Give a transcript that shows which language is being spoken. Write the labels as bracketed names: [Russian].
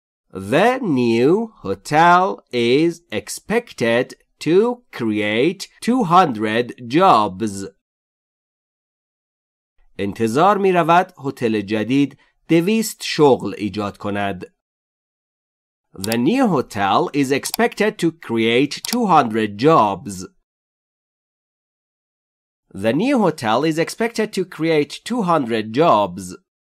[English] The new hotel is expected to create 200 jobs. [Persian] انتظار می رود هتل جدید 200 شغل ایجاد کند. [English] The new hotel is expected to create 200 jobs. The new hotel is expected to create 200 jobs.